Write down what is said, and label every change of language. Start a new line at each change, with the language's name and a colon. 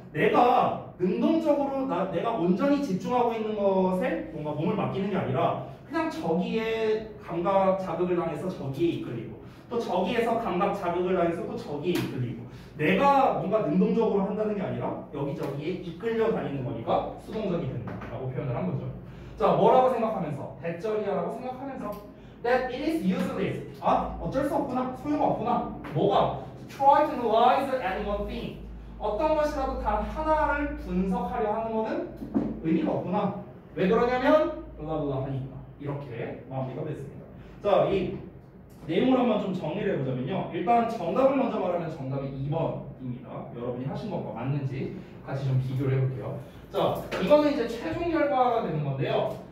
Korean: 내가 능동적으로 내가 온전히 집중하고 있는 것에 뭔가 몸을 맡기는 게 아니라 그냥 저기에 감각 자극을 당해서 저기에 이끌리고 또 저기에서 감각 자극을 당해서 또 저기에 이끌리고 내가 뭔가 능동적으로 한다는 게 아니라 여기저기에 이끌려 다니는 거니까 수동적이 된다라고 표현을 한 거죠. 자, 뭐라고 생각하면서? 대절이야라고 생각하면서
English: That it is useless.
Korean: 아, 어쩔 수 없구나. 소용없구나. 뭐가?
English: Try to analyze any one thing.
Korean: 어떤 것이라도 단 하나를 분석하려 하는 것은 의미가 없구나. 왜 그러냐면 블라블라 하니까. 이렇게 마무리가 됐습니다. 자, 이 내용을 한번 좀 정리를 해보자면요. 일단 정답을 먼저 말하면 정답이 2번입니다. 여러분이 하신 것과 맞는지 같이 좀 비교를 해볼게요. 자, 이거는 이제 최종 결과가 되는 건데요.